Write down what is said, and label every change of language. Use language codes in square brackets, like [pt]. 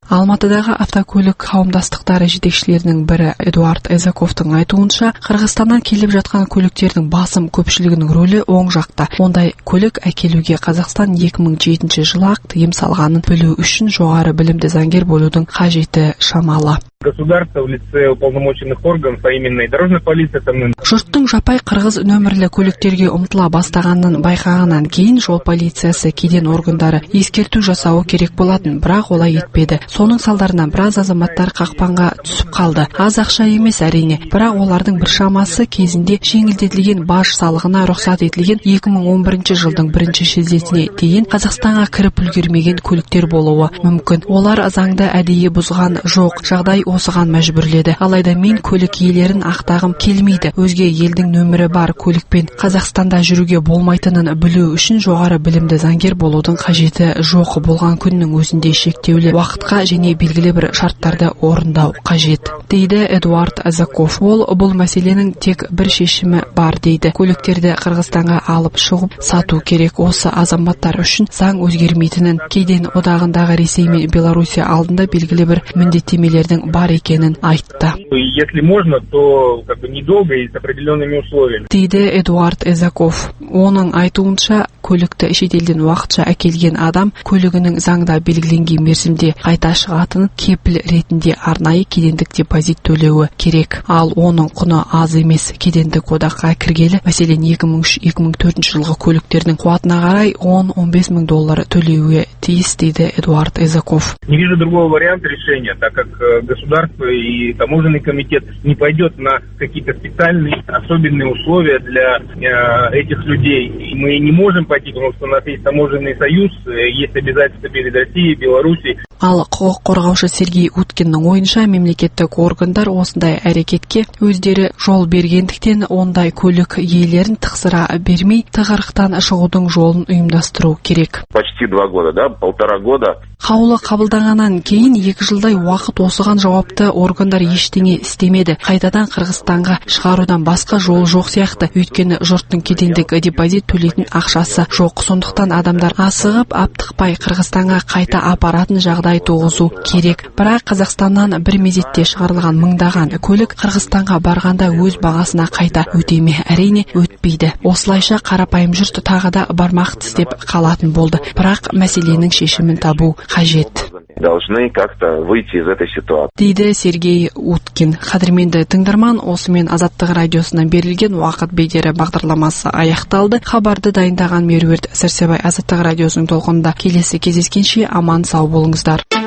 [kk] Алматыдағы автокөлік қауымдастықтары жетекшілерінің бірі Эдуард Эзаковтың айтуынша, Қырғызстаннан келіп жатқан көліктердің басым көпшілігінің рөлі оң жақта. Ондай көлік әкелуге Қазақстан 2007 жылы-ақ тыйым салғанын білу үшін жоғары білімді заңгер болудың қажеті шамалы. [ru] Государство в лице уполномоченных органов, а именно и дорожная полиция там. [kk] Жұрттың жапай қырғыз нөмірлі көліктерге ұмтыла бастағанын байқағаннан кейін жол полициясы кеден органдары ескерту жасауы керек болатын, бірақ олай етпеді. Соның салдарынан біраз азаматтар қақпанға түсіп қалды. Аз ақша емес әрине, бірақ олардың біршамасы кезінде жеңілдетілген баж салығына рұқсат етілген 2011 жылдың 1 шілдесіне дейін Қазақстанға кіріп үлгермеген көліктер болуы мүмкін. Олар заңды әдейі бұзған жоқ. Жағдай осыған мәжбүрледі. Алайда мен көлік иелерін ақтағым келмейді. Өзге елдің нөмірі бар көлікпен Қазақстанда жүруге болмайтынын білу үшін жоғары білімді заңгер болудың қажеті жоқ. Болған күннің өзінде шектеулі уақытқа және белгілі бір шарттарды орындау қажет, дейді Эдуард Азаков. Ол бұл мәселенің тек бір шешімі бар дейді. Көліктерді Қырғызстанға алып шығып сату керек. Осы азаматтар үшін заң өзгермейтінін, кеден одағындағы Ресей мен Беларусия алдында белгілі бір міндеттемелер бар екенін айтты. [ru] Если можно, то как бы недолго и с определенными условиями. [kk] Дейді Эдуард Эзаков. Оның айтуынша, көлікті шетелден уақытша әкелген адам көлігінің заңда белгіленген мерзімде қайта шығатын кепіл ретінде арнайы кедендік депозит төлеуі керек. Ал оның құны аз емес. Кедендік одаққа кіргелі, мәселен 2003-2004 жылғы көліктердің қуатына қарай 10-15 мың доллар төлеуі тиіс, дейді Эдуард Эзаков. [ru] Не вижу другого варианта решения, так как государство и таможенный комитет не пойдет на какие-то специальные особенные условия для этих людей. И мы не можем пойти, потому что у нас есть таможенный союз, есть обязательства перед Россией, Белоруссией. [kk] Ал құқық қорғаушы Сергей Уткиннің ойынша, мемлекеттік органдар осындай әрекетке өздері жол бергендіктен, ондай көлік иелерін тықсыра бермей, тығырықтан шығудың жолын ұйымдастыру керек. [ru] Почти 2 года, да, 1,5 года. [kk] Қаулы қабылданғаннан кейін 2 жылдай уақыт осыған жауапты органдар ештеңе істемеді. Қайтадан Қырғызстанға шығарудан басқа жол жоқ сияқты. Өйткені жұрттың кедендік депозит төлейтін ақшасы жоқ. Сондықтан адамдар асығып, аптықпай Қырғызстанға қайта апаратын жағдай туғызу керек. Бірақ Қазақстаннан бір мезетте шығарылған мыңдаған көлік Қырғызстанға барғанда өз бағасына қайта өтеме, әрине өтпейді. Осылайша қарапайым жұрт тағы да бармақ тістеп қалатын болды. Бірақ мәселенің шешімін табу қажет. [ru] должны как-то выйти из этой ситуации. [kk] Дейді Сергей Уткин. Қадірменді тыңдарман, осымен Азаттық радиосына берілген уақыт бедері бағдарламасы аяқталды. Хабарды дайындаған Меруерт Сәрсебай Азаттық радиосының толқынында. Келесі кездескенше аман сау болыңыздар.